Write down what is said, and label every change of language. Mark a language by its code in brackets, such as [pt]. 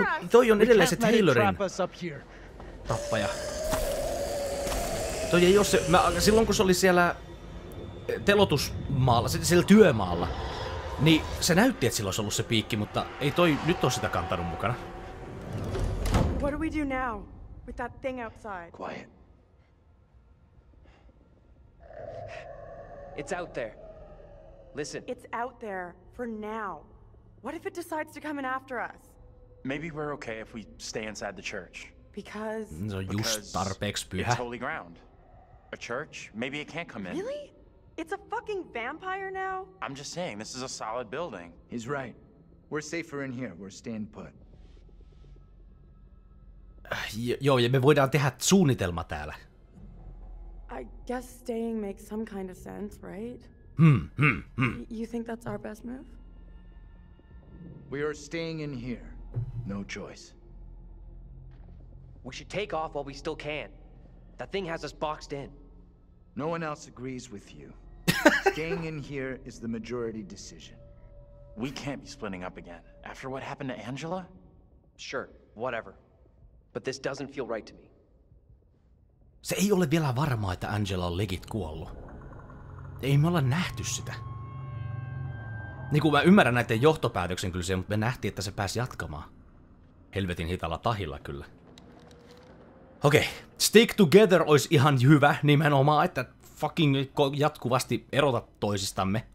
[fi] Toi on edelleen se Taylorin tappaja. Toi ei oo se... Silloin kun se oli siellä telotusmaalla, siellä työmaalla, niin se näytti, että sillä olisi ollut se piikki, mutta ei toi nyt oo sitä kantanut mukana. [en] What do we do now with that thing outside? Quiet. It's out there. Listen. It's out there for now. What if it decides to come in after us? Maybe we're okay if we stay inside the church. Because [fi] no, just tarpeeksi pyhä. [en] It's holy ground. A church? Maybe it can't come in. Really? It's a fucking vampire now? I'm just saying, this is a solid building. He's right. We're safer in here. We're staying put. [fi] Joo, ja me voidaan tehdä suunnitelma täällä. [en] I guess staying makes some kind of sense, right? You think that's our best move? We are staying in here. No choice. We should take off while we still can. That thing has us boxed in. No one else agrees with you. Staying in here is the majority decision. We can't be splitting up again. After what happened to Angela? Sure, whatever. But this doesn't feel right to me. [fi] Se ei ole vielä varmaa, että Angela on legit kuollut. Ei me olla nähty sitä. Niin kuin mä ymmärrän näiden johtopäätöksen kyllä siihen, mutta me nähtiin, että se pääsi jatkamaan. Helvetin hitalla tahilla kyllä. Okei, [en] stick together [fi] olisi ihan hyvä nimenomaan, että fucking jatkuvasti erota toisistamme.